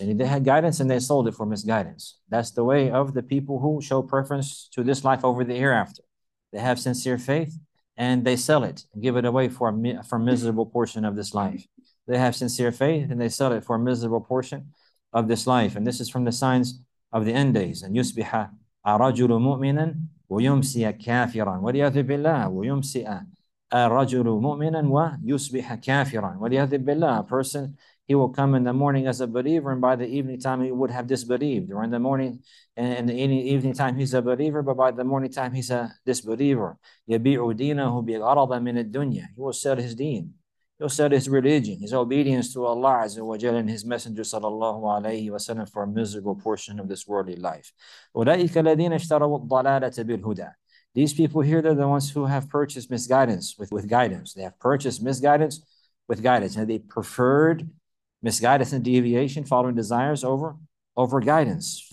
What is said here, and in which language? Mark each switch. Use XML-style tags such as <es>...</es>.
<en>And they had guidance and they sold it for misguidance. That's the way of the people who show preference to this life over the hereafter. They have sincere faith and they sell it and give it away for a miserable portion of this life. They have sincere faith and they sell it for a miserable portion of this life. And this is from the signs of the end days. And</en> <ar>yusbiha الرجل مؤمنا ويمسي كافرا والعياذ بالله، ويمسي الرجل مؤمنا ويصبح كافرا والعياذ بالله.</ar> <en>A person, he will come in the morning as a believer, and by the evening time he would have disbelieved. Or in the morning and in the evening time he's a believer, but by the morning time he's a disbeliever.</en> <ar>يَبِيعُ دِينَهُ بِغَرَضًا مِنَ الدُّنْيَا.</ar> <en>He will sell his deen. He'll sell his religion, his obedience to Allah Azza wa Jalla and his messenger sallallahu alayhi wa sallam for a miserable portion of this worldly life.</en> <ar>أُولَٰئِكَ الَّذِينَ اشْتَرَوُا الضَّلَالَةَ بِالْهُدَىٰ.</ar> <en>These people here, they're the ones who have purchased misguidance with guidance. They have purchased misguidance with guidance. And they preferred misguidance and deviation, following desires over guidance.</en>